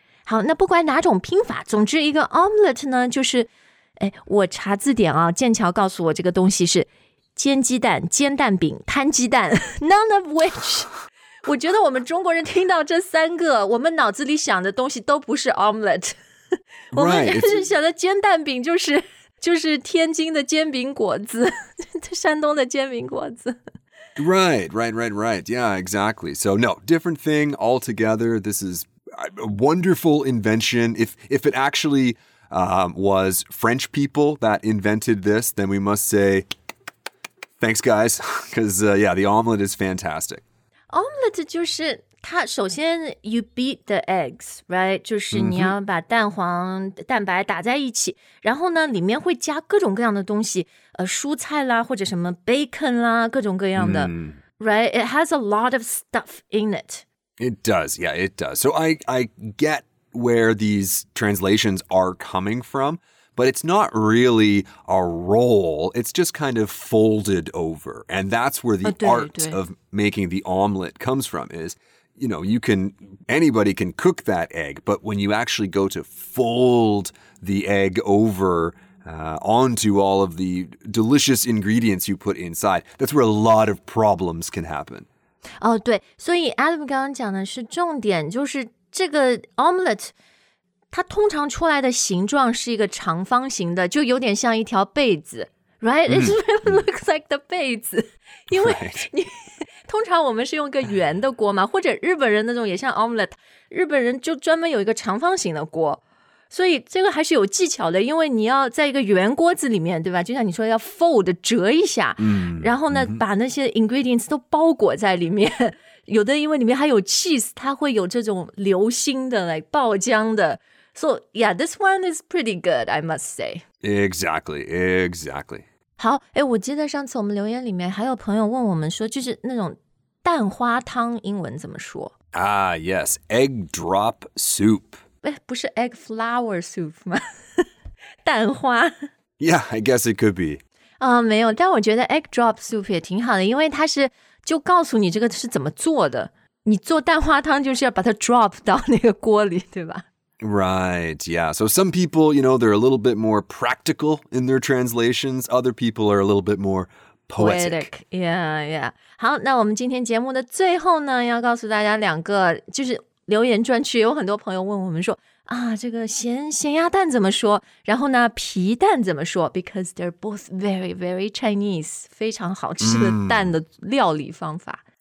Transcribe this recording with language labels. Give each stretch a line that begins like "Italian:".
Chinese: 好，那不管哪种拼法，总之一个 omelet 呢，就是，哎，我查字典啊，剑桥告诉我这个东西是煎鸡蛋、煎蛋饼、摊鸡蛋 ， none of which，我觉得我们中国人听到这三个，我们脑子里想的东西都不是 omelet， 我们就是想的煎蛋饼，就是天津的煎饼果子，山东的煎饼果子。
English: Right. Yeah, exactly. So no, different thing altogether. This is a wonderful invention. If it actually was French people that invented this, then we must say. Thanks, guys. Because, the omelet is fantastic. Omelet 就是它首先 you beat the eggs, right?
Chinese: 就是你要把蛋黄、蛋白打在一起，然后呢，里面会加各种各样的东西，蔬菜啦，或者什么 bacon 啦，各种各样的、right?
English: It has a lot of stuff in it. It does, yeah, it does. So I get where these translations are coming from. But it's not really a roll. It's just kind of folded over. And that's where the art of making the omelet comes from is, you know, anybody can cook that egg. But when you actually go to fold the egg over onto all of the delicious ingredients you put inside, that's where a lot of problems can happen.
Chinese: Oh, 对。所以 Adam 刚刚讲的是重点，就是这个 omelet... 它通常出来的形状是一个长方形的，就有点像一条被子 ，right? It really looks like the 被子，因为你通常我们是用个圆的锅嘛，或者日本人那种也像 omelet， 日本人就专门有一个长方形的锅，所以这个还是有技巧的，因为你要在一个圆锅子里面，对吧？就像你说要 fold 折一下，然后呢把那些 ingredients 都包裹在里面。有的因为里面还有 cheese， 它会有这种流心的 like 爆浆的。
English: So yeah, this one is pretty good, I must say. Exactly.
Chinese: 好，哎，我记得上次我们留言里面还有朋友问我们说，就是那种蛋花汤英文怎么说
English: ？Ah, yes, egg drop soup.
Chinese: 哎，不是 egg flower soup 吗？蛋花。
English: Yeah, I guess it could be.
Chinese: 啊，没有，但我觉得 egg drop soup 也挺好的，因为它是。就告诉你这个是怎么做的。你做蛋花汤就是要把它 drop 到那个锅里，对吧
English: ？Right, yeah. So some people, you know, they're a little bit more practical in their translations. Other people are a little bit more poetic. Yeah.
Chinese: 好，那我们今天节目的最后呢，要告诉大家两个，就是留言专区有很多朋友问我们说啊，这个咸鸭蛋怎么说？然后呢，皮蛋怎么说 ？ Because they're both very, very Chinese, 非常好吃的蛋的料理方法。